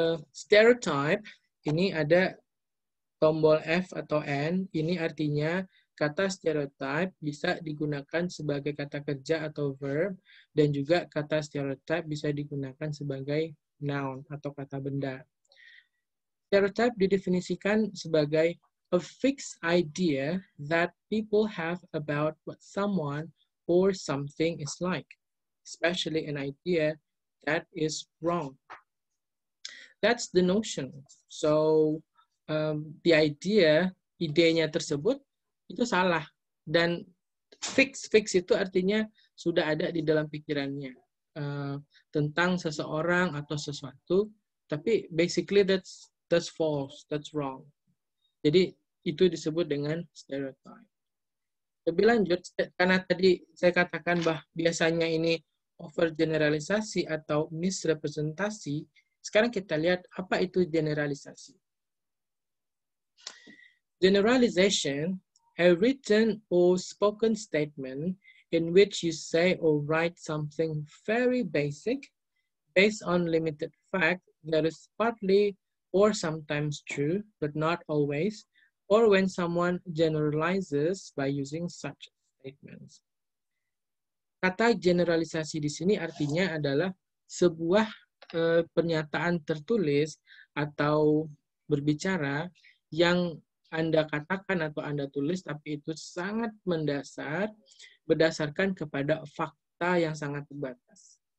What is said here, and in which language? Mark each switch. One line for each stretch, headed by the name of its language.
Indonesian: Stereotype, ini ada tombol F atau N, ini artinya kata stereotype bisa digunakan sebagai kata kerja atau verb, dan juga kata stereotype bisa digunakan sebagai noun atau kata benda.
English: Stereotype
Indonesian: didefinisikan sebagai
English: a fixed idea that people have about what someone or something is like, especially an idea that is wrong. That's the notion. So, the idea,
Indonesian: idenya tersebut, itu salah. Dan fix itu artinya sudah ada di dalam pikirannya tentang seseorang atau sesuatu, tapi
English: basically that's false, that's wrong.
Indonesian: Jadi, itu disebut dengan stereotype. Lebih lanjut, karena tadi saya katakan bahwa biasanya ini overgeneralisasi atau misrepresentasi, sekarang kita lihat apa itu generalisasi.
English: Generalization, a written or spoken statement in which you say or write something very basic based on limited fact that is partly or sometimes true, but not always, or when someone generalizes by using such statements.
Indonesian: Kata generalisasi di sini artinya adalah sebuah pernyataan tertulis atau berbicara yang Anda katakan atau Anda tulis, tapi itu sangat mendasar berdasarkan kepada fakta yang sangat terbatas.